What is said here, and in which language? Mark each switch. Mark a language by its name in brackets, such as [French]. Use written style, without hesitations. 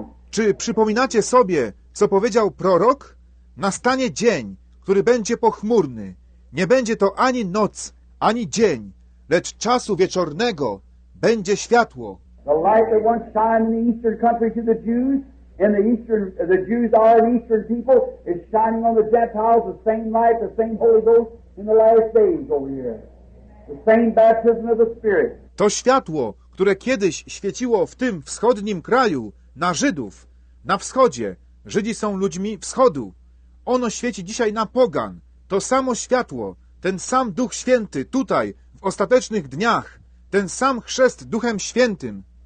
[Polish] Czy przypominacie sobie, co powiedział prorok? Nastanie dzień, który będzie pochmurny. Nie będzie to ani noc, ani dzień, lecz czasu wieczornego będzie światło. [English] The light that once shined in the eastern country to the Jews, and the Jews are an eastern people, is shining on the Gentiles, the same light, the same Holy Ghost in the last days over here. The same baptism of the Spirit. [Polish] To światło, które kiedyś świeciło w tym wschodnim kraju na Żydów, na wschodzie. Żydzi są ludźmi wschodu. Ono świeci dzisiaj na pogan. To samo światło, ten sam Duch Święty tutaj, w ostatecznych dniach, ten sam chrzest Duchem Świętym.